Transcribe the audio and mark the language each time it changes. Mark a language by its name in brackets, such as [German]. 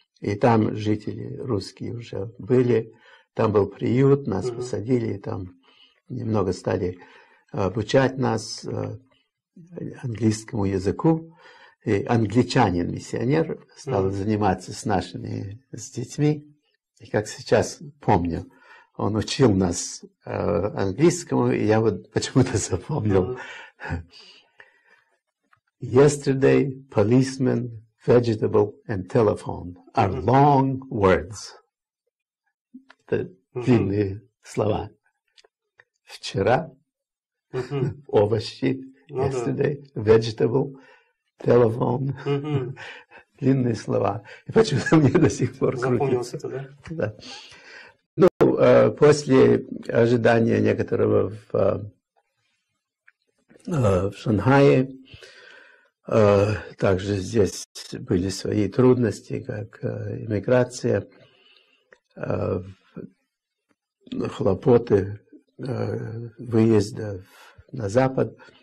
[Russian] И там жители русские уже были, там был приют, нас посадили, там немного стали обучать нас английскому языку. И англичанин-миссионер стал заниматься с нашими, с детьми. И как сейчас помню, он учил нас английскому, и я вот почему-то запомнил. [English] Yesterday, policeman, vegetable and telephone are long words. [Russian] Это длинные слова. Вчера овощи, [English] yesterday, vegetable, [Russian] Телефон. Длинные слова. И почему-то мне до сих пор крутится. Запомнился это, да? Да. Ну, после ожидания некоторого в Шанхае, также здесь были свои трудности, как иммиграция, хлопоты выезда на Запад.